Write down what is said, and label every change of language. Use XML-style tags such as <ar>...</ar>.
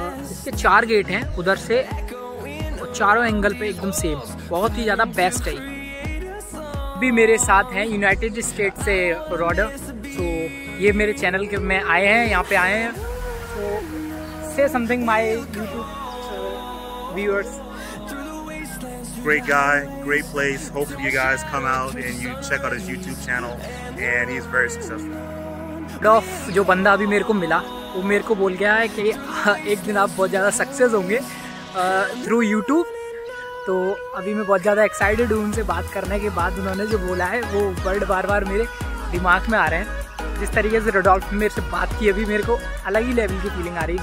<hi>इसके चार गेट हैं उधर से, और चारों एंगल पे एकदम सेम, बहुत ही ज़्यादा बेस्ट है। भी मेरे साथ हैं यूनाइटेड स्टेट से रॉडर, तो ये मेरे चैनल के में आए हैं, यहाँ पे आए हैं, तो</hi> <en>Say something my YouTube viewers. Great guy, great place. Hopefully you guys come out and you check out his YouTube channel. And he's very successful.</en> <hi>Rough, जो बंदा अभी मेरे को मिला, वो मेरे को बोल गया है कि एक दिन आप बहुत ज़्यादा सक्सेस होंगे</hi> <en>through YouTube.</en> <hi>तो अभी मैं बहुत ज़्यादा excited हूँ उनसे बात करने के बाद। उन्होंने जो बोला है वो word बार बार मेरे दिमाग में आ रहे हैं। जिस तरीके से रोडॉल्फ मेरे से बात की, अभी मेरे को अलग ही लेवल की फीलिंग आ रही है।</hi>